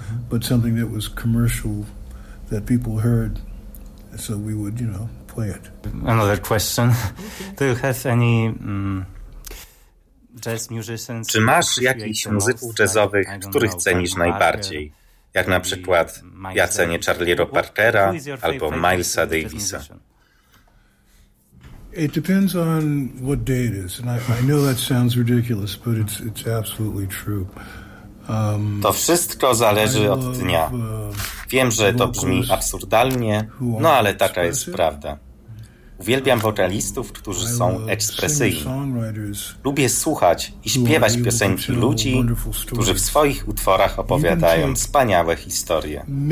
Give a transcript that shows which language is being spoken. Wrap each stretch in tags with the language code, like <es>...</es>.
<en>But something that was commercial that people heard, so we would, you know, play it. Another question. Do you have any jazz musicians?</en> <pl>Czy masz jakichś muzyków jazzowych, których cenisz najbardziej? Jak na przykład ja cenię Charlie'ego Parkera albo Milesa Davisa.</pl> <en>It depends on what day it is. And I know that sounds ridiculous, but it's absolutely true.</en> <pl>To wszystko zależy od dnia. Wiem, że to brzmi absurdalnie, no ale taka jest prawda. Uwielbiam wokalistów, którzy są ekspresyjni. Lubię słuchać i śpiewać piosenki ludzi, którzy w swoich utworach opowiadają wspaniałe historie.</pl>